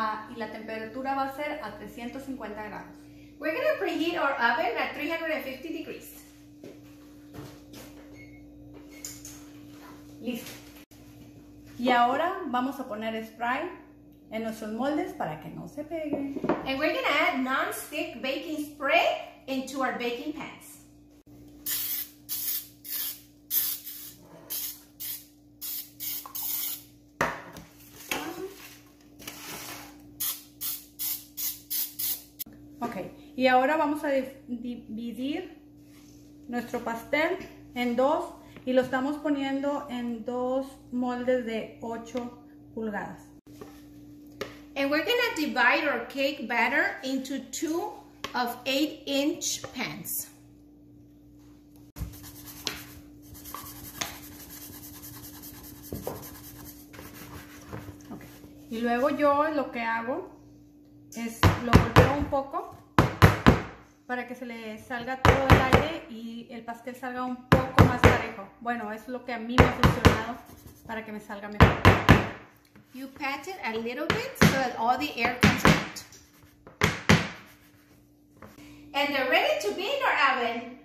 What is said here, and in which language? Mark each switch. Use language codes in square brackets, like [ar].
[es] y la temperatura va a ser a 350 grados. [en] We're going to preheat our oven at 350 degrees. [es] Listo. Y ahora vamos a poner spray en nuestros moldes para que no se peguen. [en] And we're going to add non-stick baking spray into our baking pans. [es] Ok, y ahora vamos a dividir nuestro pastel en dos y lo estamos poniendo en dos moldes de 8 pulgadas. [en] And we're going to divide our cake batter into two of 8-inch pans. [es] Ok, y luego yo lo que hago es lo golpeo un poco para que se le salga todo el aire y el pastel salga un poco más parejo. Bueno, eso es lo que a mí me ha funcionado para que me salga mejor. [en] You pat it a little bit so that all the air comes out. And they're ready to be in our oven.